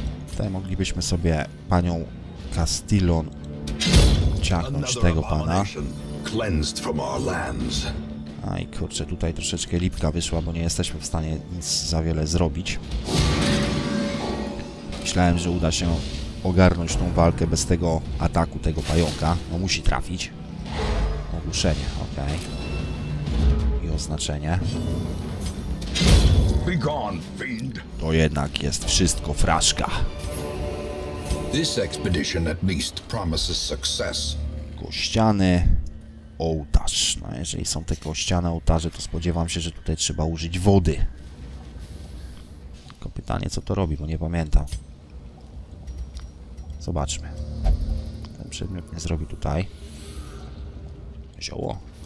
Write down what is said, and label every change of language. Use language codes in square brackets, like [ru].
[pl] Tutaj moglibyśmy sobie panią Castillon ciachnąć tego pana. [en] Cleansed from our lands. [pl] Aj kurczę, tutaj troszeczkę lipka wyszła, bo nie jesteśmy w stanie nic za wiele zrobić. Myślałem, że uda się ogarnąć tą walkę bez tego ataku, tego pająka. No musi trafić. Ogłuszenie, okej. Okay. I oznaczenie. [en] Be gone, fiend. [pl] To jednak jest wszystko fraszka. [en] This expedition at least promises success. [pl] Kościany ołtarz. No jeżeli są te kościane ołtarze, to spodziewam się, że tutaj trzeba użyć wody. Tylko pytanie, co to robi, bo nie pamiętam. Zobaczmy. Ten przedmiot nie zrobi tutaj. Zioło.